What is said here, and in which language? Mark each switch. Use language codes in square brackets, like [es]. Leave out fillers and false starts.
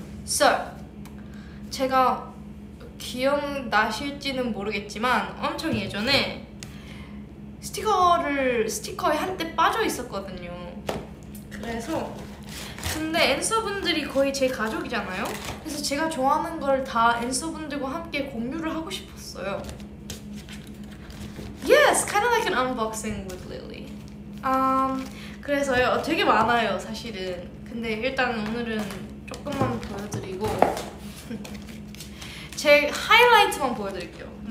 [ko] So, 제가 기억나실지는 모르겠지만 엄청 예전에 스티커에 한때 빠져 있었거든요. 그래서 근데 엔서분들이 거의 제 가족이잖아요? 그래서 제가 좋아하는 걸 다 엔서분들과 함께 공유를 하고 싶었어요. [en] Yes, kind of like an unboxing with Lily. [ko] 그래서요, 되게 많아요, 사실은. 근데 일단 오늘은 조금만 보여드리고 제 하이라이트만 보여드릴게요.